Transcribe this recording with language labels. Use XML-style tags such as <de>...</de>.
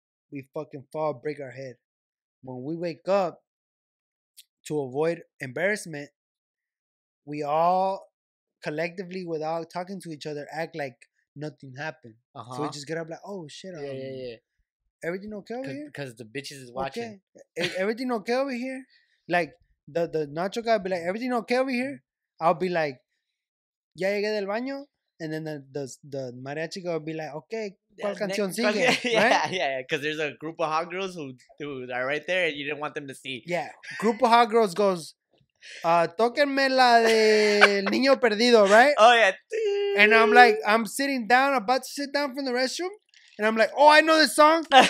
<en>We fucking fall, break our head. When we wake up, to avoid embarrassment, we all collectively, without talking to each other, act like nothing happened. Uh-huh. So we just get up like, oh, shit. Everything okay over here? Because the bitches is watching. Okay. Everything okay over here? Like, the nacho guy be like, everything okay over here? I'll be like,</en> <es>ya llegué del baño?</es> <en>And then the mariachi girl would be like, okay,</en> <es>¿cuál canción sigue?</es> <en>Yeah, because there's a group of hot girls who are right there and you didn't want them to see. Yeah, group of hot girls goes,</en> <es>tóquenme la de El Niño Perdido,</es> <en>right? Oh, yeah. And I'm like, I'm sitting down, about to sit down from the restroom. And I'm like, oh, I know this song.</en>